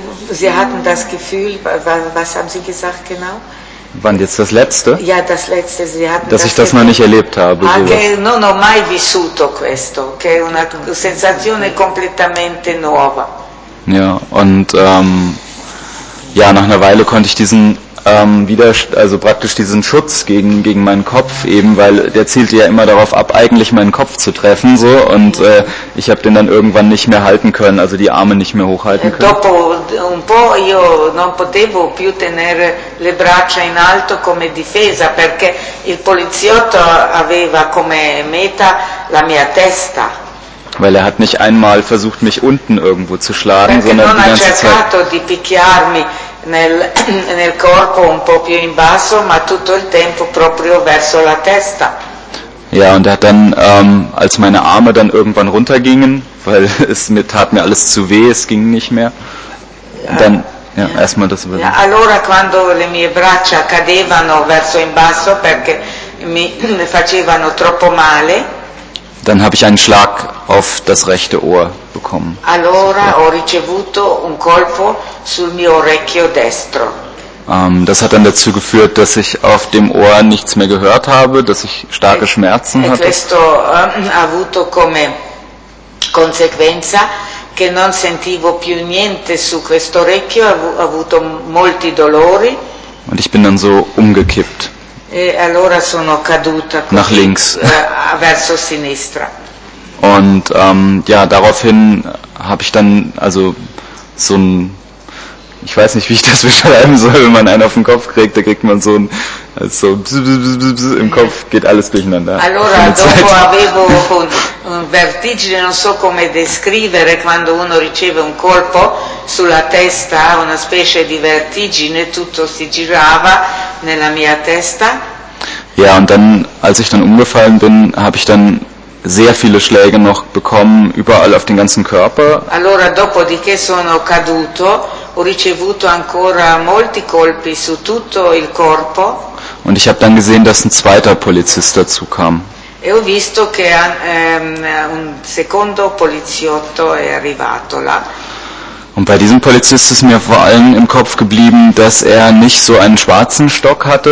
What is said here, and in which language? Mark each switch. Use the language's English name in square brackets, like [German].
[German] Sie hatten das Gefühl, was haben Sie gesagt genau? Wann jetzt das letzte? Ja, das letzte. Sie hatten dass das ich das noch nicht erlebt habe. [Italian] Ma che non ho mai vissuto questo, che è una sensazione completamente nuova. [German] Ja, und ja, nach einer Weile konnte ich diesen also praktisch diesen Schutz gegen meinen Kopf eben, weil der zielte ja immer darauf ab, eigentlich meinen Kopf zu treffen, so, und ich habe den dann irgendwann nicht mehr halten können, also die Arme nicht mehr hochhalten können. [Italian] Dopo un po' io non potevo più tenere le braccia in alto come difesa, perché il poliziotto aveva come meta la mia testa. [German] Weil er hat nicht einmal versucht, mich unten irgendwo zu schlagen, sondern die ganze Zeit. [Italian] Non ha cercato di picchiarmi nel corpo un po' più in basso, ma tutto il tempo proprio verso la testa. [German] Ja, und er hat dann, als meine Arme dann irgendwann runtergingen, weil es mir tat mir alles zu weh, es ging nicht mehr. Dann, ja, erstmal das. [Italian] Ja, allora quando le mie braccia cadevano verso in basso perché mi facevano troppo male. [German] Dann habe ich einen Schlag auf das rechte Ohr bekommen. [Italian] Allora ho ricevuto un colpo sul mio orecchio destro. [German] Das hat dann dazu geführt, dass ich auf dem Ohr nichts mehr gehört habe, dass ich starke Schmerzen hatte. [Italian] E questo ha avuto come conseguenza che non sentivo più niente su questo orecchio, ho avuto molti dolori. [German] Und ich bin dann so umgekippt. [Italian] E allora sono caduta [German] nach links [Italian] verso sinistra. [German] Und daraufhin habe ich dann also so ein, ich weiß nicht, wie ich das beschreiben soll, wenn man einen auf den Kopf kriegt, da kriegt man so ein, also im Kopf geht alles durcheinander. [Italian] Allora, dopo avevo un vertigine, non so come descrivere, quando uno riceve un colpo sulla testa, una specie di vertigine, tutto si girava nella mia testa. [German] Ja, und dann, als ich dann umgefallen bin, habe ich dann sehr viele Schläge noch bekommen, überall auf den ganzen Körper. [Italian] Allora, dopo di che sono caduto, ho ricevuto ancora molti colpi su tutto il corpo. [German] Und ich habe dann gesehen, dass ein zweiter Polizist dazu kam. [Italian] E ho visto che un secondo poliziotto è arrivato là. [German] Und bei diesem Polizist ist mir vor allem im Kopf geblieben, dass er nicht so einen schwarzen Stock hatte.